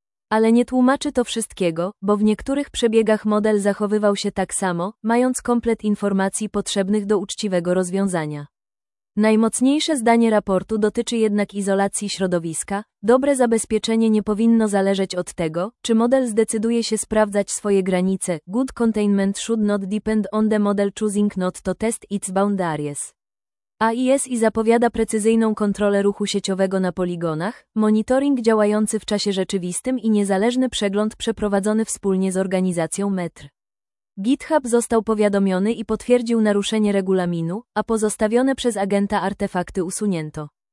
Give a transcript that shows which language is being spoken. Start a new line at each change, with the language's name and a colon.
Polish: Ale nie tłumaczy to wszystkiego, bo w niektórych przebiegach model zachowywał się tak samo, mając komplet informacji potrzebnych do uczciwego rozwiązania. Najmocniejsze zdanie raportu dotyczy jednak izolacji środowiska. Dobre zabezpieczenie nie powinno zależeć od tego, czy model zdecyduje się sprawdzać swoje granice.
English: Good containment should not depend on the model choosing not to test its boundaries.
Polish: AIS zapowiada precyzyjną kontrolę ruchu sieciowego na poligonach, monitoring działający w czasie rzeczywistym i niezależny przegląd przeprowadzony wspólnie z organizacją METR. GitHub został powiadomiony i potwierdził naruszenie regulaminu, a pozostawione przez agenta artefakty usunięto.